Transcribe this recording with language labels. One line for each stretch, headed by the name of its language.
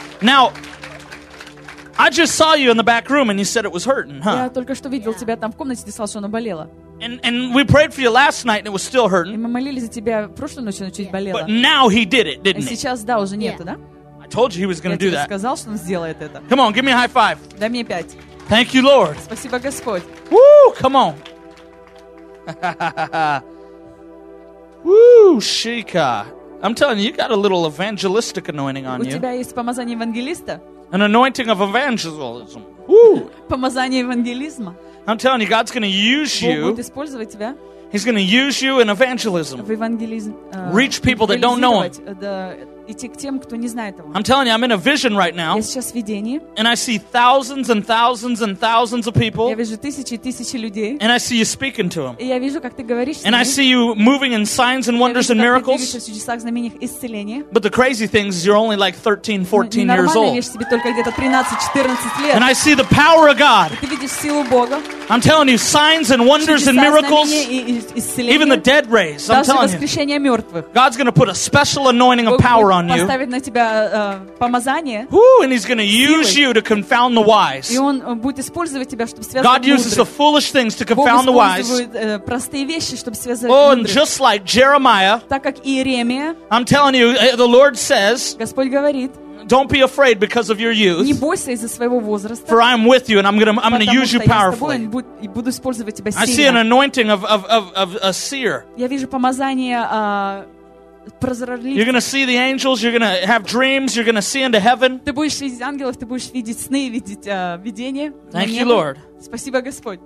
English: Now, I just saw you in the back room, and you said it was hurting, huh?
Russian: Я только что видел тебя там в комнате, ты сказал, что оно болело.
English: And we prayed for you last night, and it was still hurting.
Russian: И мы молились за тебя прошлой ночью, но чуть болело.
English: But now he did it, didn't he?
Russian: Сейчас, да, уже нету, да?
English: I told you he was going to do that.
Russian: Я тебе сказал, что он сделает это.
English: Come on, give me a high five.
Russian: Дай мне пять.
English: Thank you, Lord.
Russian: Спасибо, Господь.
English: Woo, come on. Woo, Shika. I'm telling you, you got a little evangelistic anointing on you.
Russian: У тебя есть помазание евангелиста?
English: An anointing of evangelism. Woo.
Russian: Помазание евангелизма.
English: I'm telling you, God's going to use you.
Russian: Бог будет использовать тебя.
English: He's going to use you in evangelism.
Russian: В евангелизм.
English: Reach people that don't know him.
Russian: Идти к тем, кто не знает его.
English: I'm telling you, I'm in a vision right now.
Russian: Я сейчас в видении.
English: And I see thousands and thousands and thousands of people.
Russian: Я вижу тысячи и тысячи людей.
English: And I see you speaking to them.
Russian: И я вижу, как ты говоришь с ними.
English: And I see you moving in signs and wonders and miracles.
Russian: Я вижу, как ты двигаешься в чудесах, знамениях, исцеления.
English: But the crazy thing is you're only like 13-14 years old.
Russian: Нормально, тебе только где-то 13-14 лет.
English: And I see the power of God.
Russian: Ты видишь силу Бога.
English: I'm telling you, signs and wonders and miracles. Even the dead raised. I'm telling you.
Russian: Даже воскрешение мертвых.
English: God's going to put a special anointing of power on you.
Russian: Поставит на тебя помазание.
English: Woo, and he's going to use you to confound the wise.
Russian: И он будет использовать тебя, чтобы связать
English: God uses the foolish things to confound the wise.
Russian: Простые вещи, чтобы связать мудрых.
English: Oh, and just like Jeremiah.
Russian: Так как Иеремия.
English: I'm telling you, the Lord says.
Russian: Господь говорит.
English: Don't be afraid because of your youth.
Russian: Не бойся из-за своего возраста.
English: For I am with you, and I'm gonna use you powerfully.
Russian: Потому что я с тобой и буду использовать тебя сильно.
English: I see an anointing of a seer.
Russian: Я вижу помазание.
English: You're gonna see the angels. You're gonna have dreams. You're gonna see into heaven.
Russian: Ты будешь видеть ангелов. Ты будешь видеть сны, видеть видения.
English: Thank you, Lord.
Russian: Спасибо, Господь.